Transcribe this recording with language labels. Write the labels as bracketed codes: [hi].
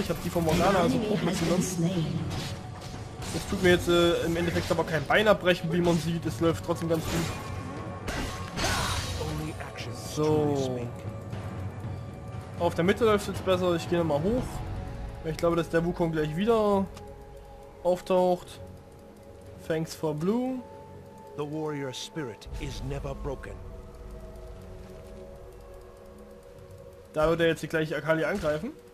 [de] Ich habe die von Morgana, also grob mitgenommen. Das tut mir jetzt im Endeffekt aber kein Bein abbrechen, wie man sieht. Es läuft trotzdem ganz gut. So. Auf der Mitte läuft es jetzt besser. Ich gehe nochmal hoch. Ich glaube, dass der Wukong gleich wieder auftaucht. [en] Thanks for Blue. The warrior spirit is never broken. [de] Da wird er jetzt hier gleich Akali angreifen.